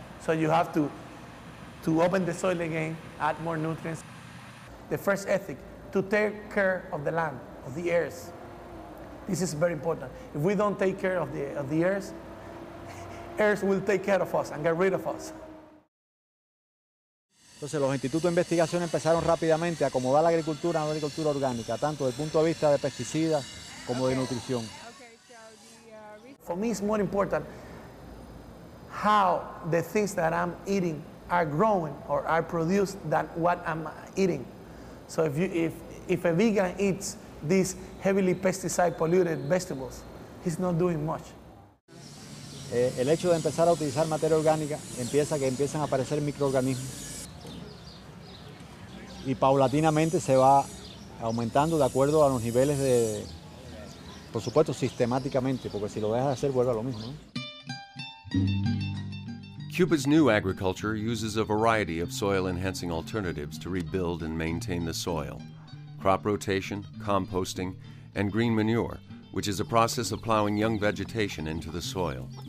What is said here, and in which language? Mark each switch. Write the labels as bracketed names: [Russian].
[English] So you have to open the soil again, add more nutrients. The first ethic, to take care of the land, of the earth. This is very important. If we don't take care of the earth will take care of us and get rid of us. [Spanish] Entonces los institutos de investigación empezaron rápidamente a acomodar la agricultura a la agricultura orgánica, tanto desde el punto de vista de pesticidas como de nutrición. [English] For me it's more important how the things that I'm eating are growing or are produced than what I'm eating. So if a vegan eats these heavily pesticide polluted vegetables, he's not doing much. [Spanish] El hecho de empezar a utilizar materia orgánica empieza que empiezan a aparecer microorganismos. Y paulatinamente se va aumentando de acuerdo a los niveles de, por supuesto, sistemáticamente, porque si lo dejas de hacer vuelve a lo mismo, ¿no? [English] Cuba's new agriculture uses a variety of soil-enhancing alternatives to rebuild and maintain the soil. Crop rotation, composting, and green manure, which is a process of plowing young vegetation into the soil.